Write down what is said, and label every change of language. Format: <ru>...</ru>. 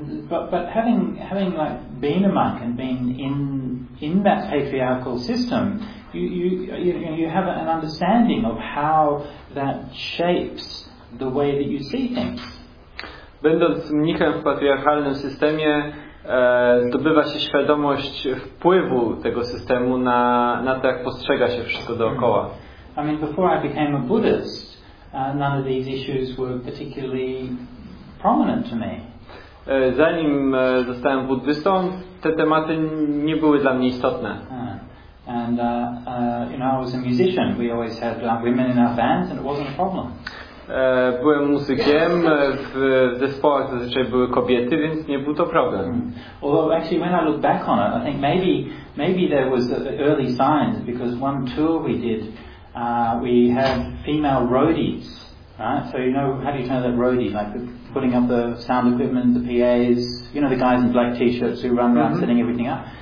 <en>But having like been a monk and been in that patriarchal system, you have an understanding of how that shapes the way that you see things.</en> <pl>Będąc mnichem w patriarchalnym systemie, zdobywa się świadomość wpływu tego systemu na to, jak postrzega się wszystko dookoła.</pl> <en>I mean, before I became a Buddhist, none of these issues were particularly prominent to me.</en> <pl>Zanim zostałem buddystą, te tematy nie były dla mnie istotne.</pl> <en>And I was a musician. We always had women in our bands, and it wasn't a problem.</en> <pl>Byłem muzykiem, w zespołach zazwyczaj były kobiety, więc nie był to problem.</pl> <en>Although actually, when I look back on it, I think maybe there was early signs, because one tour we did, we had female roadies, right? So how do you turn that roadie? Like putting up the sound equipment, the PAs, the guys in black t-shirts who run around setting everything up.</en>